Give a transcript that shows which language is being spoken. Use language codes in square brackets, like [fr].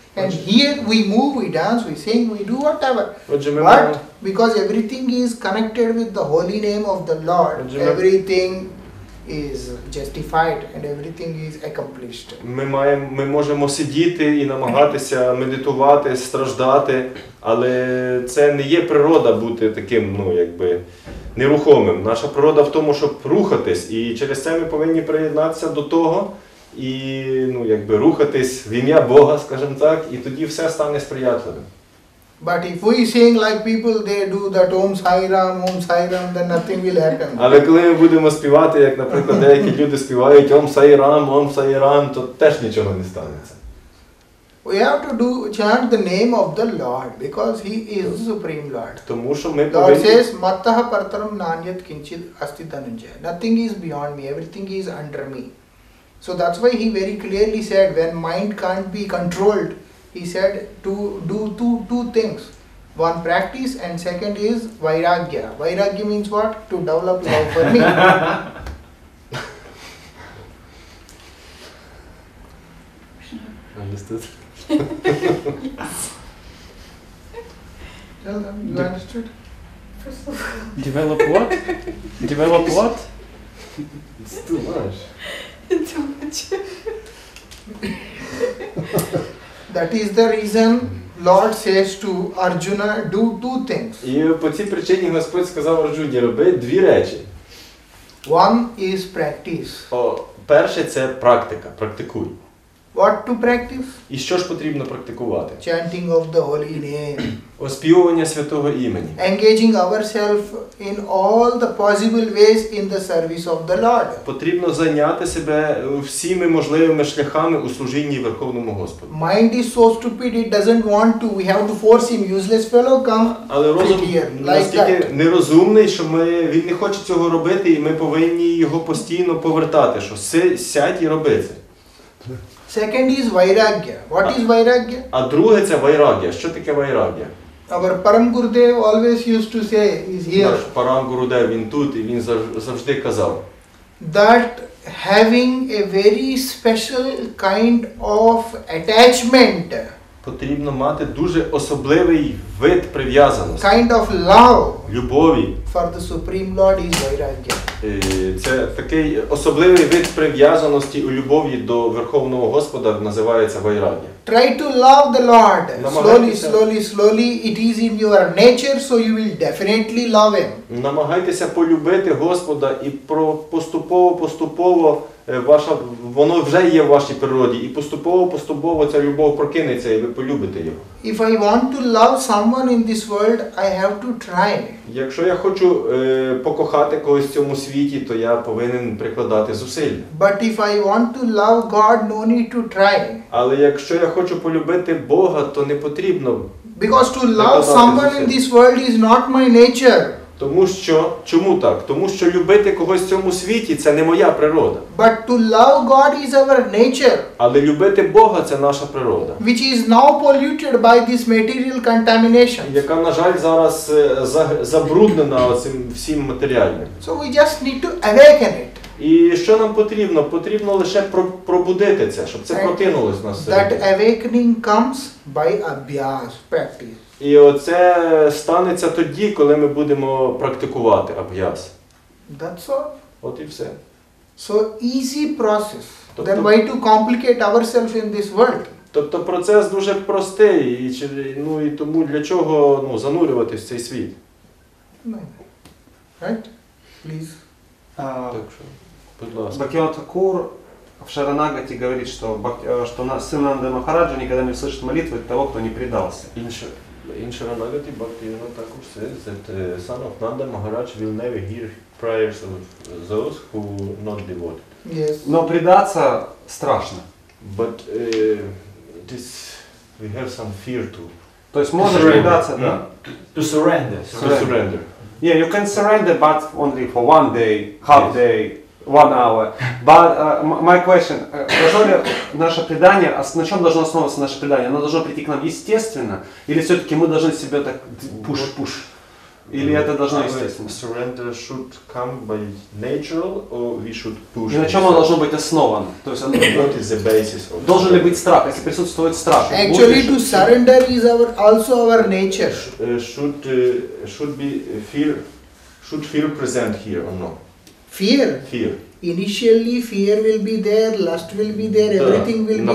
[en] And here we move, we dance, we sing, we do whatever. But because everything is connected with the holy name of the Lord, everything is justified and everything is accomplished. [uk] Ми можемо сидіти і намагатися медитувати, страждати, але це не є природа бути таким, ну, якби нерухомим. Наша природа в тому, щоб рухатись, і через це ми повинні приєднатися до того і, ну, якби рухатись в ім'я Бога, скажімо так, і тоді все стане сприятливим. [en] But if we sing like people, they do that Om Sai Ram, then nothing will happen. [uk] Але коли ми будемо співати, як, наприклад, деякі люди співають Om Sai Ram, то теж нічого не станеться. [en] We have to do chant the name of the Lord because He is the Supreme Lord. [uk] Тому що ми [en] Lord says, [sa] Mataha Partaram Nanyat Kinchit Asti Dhananjaya. [en] Nothing is beyond me, everything is under me. So that's why He very clearly said, when mind can't be controlled, He said to do two things. One, practice, and second is Vairagya. Vairagya means what? To develop love for me. Understood? Yes. Tell them, you understood? Develop what? Develop what? It's too much. It's too much. That is the reason Lord says to Arjuna, do two things. [uk] І по цій причині Господь сказав Арджуні, роби дві речі. [en] One is practice. [uk] Перше – це практика, практикуй. [en] What to practice? [uk] І що ж потрібно практикувати? [en] Chanting of the holy name. [uk] Оспівування святого імені. [en] Engaging ourselves in all the possible ways in the service of the Lord. [uk] Потрібно зайняти себе всіми можливими шляхами у служінні Верховному Господу. [en] Mind is so stupid, it doesn't want to. We have to force him. Useless fellow, come. [uk] Але розум настільки нерозумний, що він не хоче цього робити, і ми повинні його постійно повертати, що сядь і роби це. [en] Second is Vairagya. What is Vairagya? [uk] А друге – це Vairagya. Що таке Vairagya? [en] Our Param Gurudev always used to say, is here. [uk] Наш Param Gurudev, він тут, і він завжди казав. [en] That having a very special kind of attachment. [uk] Потрібно мати дуже особливий вид прив'язаності. [en] Kind of love. [uk] Любові. [en] For the Supreme Lord is Vairagya. [uk] Це такий особливий вид прив'язаності у любові до Верховного Господа, називається Вайрагья. [en] Try to love the Lord. Slowly, it is in your nature, so you will definitely love Him. [uk] Намагайтеся полюбити Господа і поступово-поступово воно вже є в вашій природі, і поступово-поступово ця любов прокинеться, і ви полюбите Його. [en] If I want to love someone in this world, I have to try. [uk] Якщо я хочу покохати когось в цьому світі, то я повинен прикладати зусилля. [en] But if I want to love God, no need to try. [uk] Але якщо я хочу полюбити Бога, то не потрібно прикладати зусилля. [en] Because to love someone in this world is not my nature. [uk] Тому що, чому так? Тому що любити когось в цьому світі – це не моя природа. [en] But to love God is our nature. [uk] Але любити Бога – це наша природа. [en] Which is now polluted by this material contamination. [uk] Яка, на жаль, зараз забруднена цим всім матеріальним. [en] So we just need to awaken it. [uk] І що нам потрібно? Потрібно лише пробудити це, щоб це прокинулось в нас. [en] That awakening comes by abhyas, practice. [uk] І оце станеться тоді, коли ми будемо практикувати абхьяс. [en] That's all. [uk] От і все. [en] So easy process. Then why to complicate ourselves in this world? [uk] Тобто процес дуже простий, і тому для чого занурюватись в цей світ? [en] Right? Please. [uk] Так що, будь ласка. Бхактівинод Такур в Шаранагаті говорить, що син Нанди Махараджа ніколи не слышить молитви того, хто не предався. Інше. [en] In Sharanagati Bhaktivinoda Thakur says that the son of Nanda Maharaj will never hear prayers of those who are not devoted. Yes. [ru] Но предаться страшно. [en] But this we have some fear to. [ru] То есть можно предаться, да? [en] To surrender. To surrender. Yeah, you can surrender, but only for one day, half day, one hour. But my question, [ru] наше предание, на чем должно основываться наше предание? Оно должно прийти к нам естественно? Или все-таки мы должны себе так пуш-пуш? Или это должно естественно? [en] Surrender should come by natural, or we should push. [ru] И на чем оно должно быть основано? То есть [en] what is the basis of? [ru] Должен ли быть страх? Если присутствует страх, [en] actually to surrender is our also our nature. Should be fear. Should fear present here or no? Fear. Initially fear will be there, lust will be there, everything will be there.